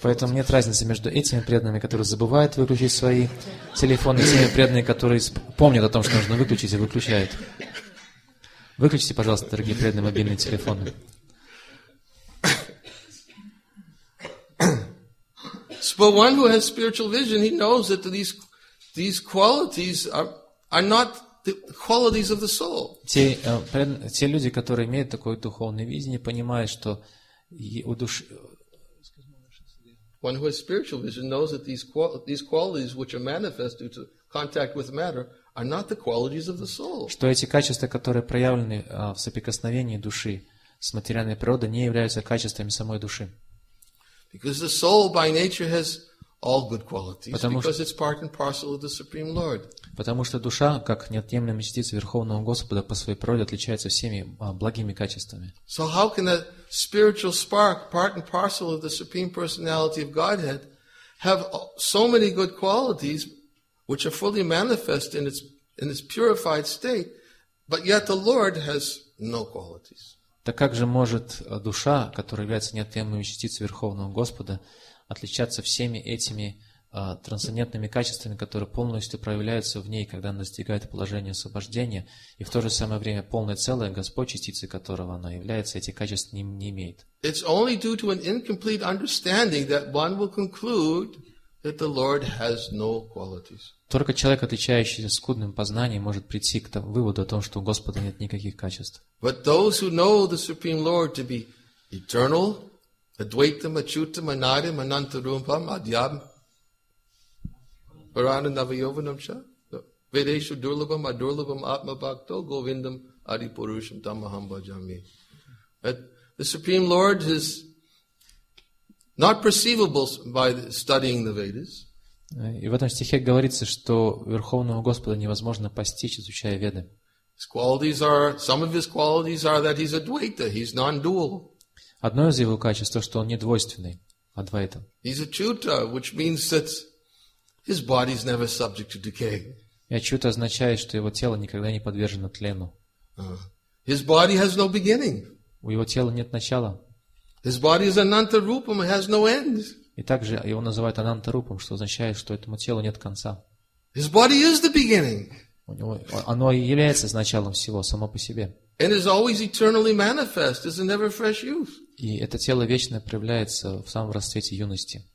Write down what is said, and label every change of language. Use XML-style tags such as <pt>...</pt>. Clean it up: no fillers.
<ru>Поэтому нет разницы между этими преданными, которые забывают выключить свои телефоны, и теми преданными, которые помнят о том, что нужно выключить, и выключают. Выключите, пожалуйста, дорогие преданные, мобильные телефоны.</ru> <en>But one who has spiritual vision, he knows that these qualities are not the qualities of the soul.</en> <ru>Те люди, которые имеют такое духовное видение, понимают, что у души.</ru> <en>One who has spiritual vision knows that these qualities which are manifest due to contact with matter are not the qualities of the soul.</en> <ru>Что эти качества, которые проявлены в соприкосновении души с материальной природой, не являются качествами самой души.</ru> <en>Because the soul by nature has all good qualities, because it's part and parcel of the Supreme Lord.</en> <ru>Потому что душа, как неотъемлемая частица Верховного Господа, по своей природе отличается всеми благими качествами.</ru> <en>So how can a spiritual spark, part and parcel of the Supreme Personality of Godhead, have so many good qualities which are fully manifest in its purified state, but yet the Lord has no qualities.</en> <ru>Так как же может душа, которая является неотъемлемой частицей Верховного Господа, отличаться всеми этими трансцендентными качествами, которые полностью проявляются в ней, когда она достигает положения освобождения, и в то же самое время полное целое Господь, частицей которого она является, эти качества не имеет?</ru> <en>It's only due to an incomplete understanding that one will conclude that the Lord has no qualities.</en> <ru>Только человек, отличающийся скудным познанием, может прийти к тому выводу о том, что у Господа нет никаких качеств.</ru> <sa>But those who know the Supreme Lord to be eternal, Advaitam, Achyutam, Anadim, Anantarumpam, Adyam, Parana Navayovanam Cha, Vedeshu Durlabham, Adurlabham, Atma Bhakto, Govindam, Adipurusham, Tamaham Bhajami.</sa> <en>But the Supreme Lord is not perceivable by studying the Vedas.</en> <ru>И в этом стихе говорится, что Верховного Господа невозможно постичь, изучая Веды.</ru> <en>His qualities are, some of his qualities are that he's Advaita, he's non-dual.</en> <ru>Одно из его качеств, то, что он недвойственный, Адвайта.</ru> <en>He's Achyuta, which means that his body is never subject to decay.</en> <ru>И отчута означает, что его тело никогда не подвержено тлену.</ru> <en>His body has no beginning.</en> <ru>У его тела нет начала.</ru> <en>His body is ananta-rupam, has no end.</en> <ru>И также его называют ананта-рупам, что означает, что этому телу нет конца.</ru> <en>His body is the beginning.</en> <ru>У него, оно и является началом всего, само по себе.</ru> <en>And is always eternally manifest, is a never fresh youth.</en> <ru>И это тело вечно проявляется в самом расцвете юности.</ru>